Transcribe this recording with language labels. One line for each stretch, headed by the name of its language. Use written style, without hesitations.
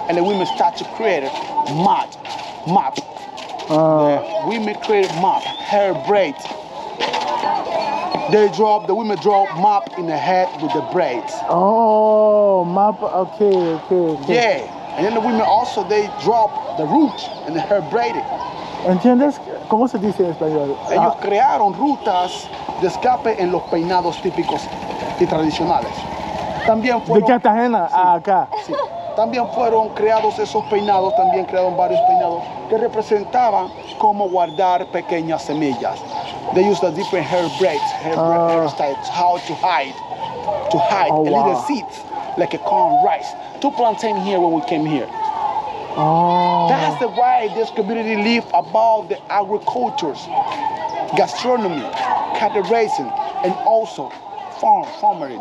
English: And the women start to create a map. The women create a map, hair braids. The women draw map in the head with the braids. Oh, map, okay. Yeah, and then the women also, they drop the root and the hair braided.
Spanish: ¿Entiendes? ¿Cómo se dice en español? Ellos crearon rutas de escape en los peinados típicos y tradicionales. También fueron, de Cartagena a acá. Sí. También fueron creados esos peinados, también crearon varios peinados que representaban cómo guardar pequeñas semillas.
English: They used a different hair braids, hairstyles, how to hide oh, a little wow. seed, like a corn rice, to plantain here when we came here. Oh. That's the way this community live above the agricultures, gastronomy, cattle raising, and also farmery.